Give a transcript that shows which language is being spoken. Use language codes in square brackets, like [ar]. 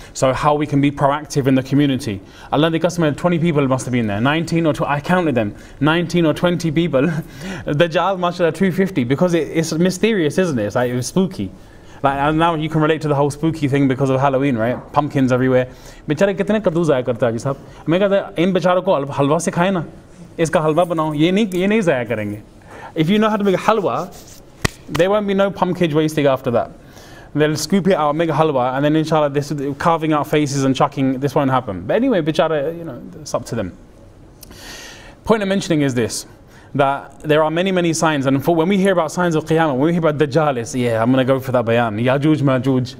[en] So how we can be proactive in the community. Allah the customer, 20 people must have been there. 19 or 20, I counted them. 19 or 20 people. Dajjal, mashallah, 250. Because it's mysterious, isn't it? It's like, it was spooky. Like, and now you can relate to the whole spooky thing because of Halloween, right? Pumpkins everywhere. [ur] بیچارے کتنے کدو ضائع کرتے ہے سب۔ میں کہتا ان بیچاروں کو حلوہ سکھائے نا۔ اس کا حلوہ بناؤ۔ یہ نہیں ضائع کریں گے۔ [en] If you know how to make halwa, there won't be no pumpkin wasting after that. They'll scoop it out, make a halwa, and then inshallah, this carving out faces and chucking, this won't happen. But anyway, bechare, you know, it's up to them. Point I'm mentioning is this. That there are many, many signs, and for when we hear about signs of Qiyamah, when we hear about Dajjal, it's, yeah, I'm going to go for that bayan, Ya'juj Ma'juj.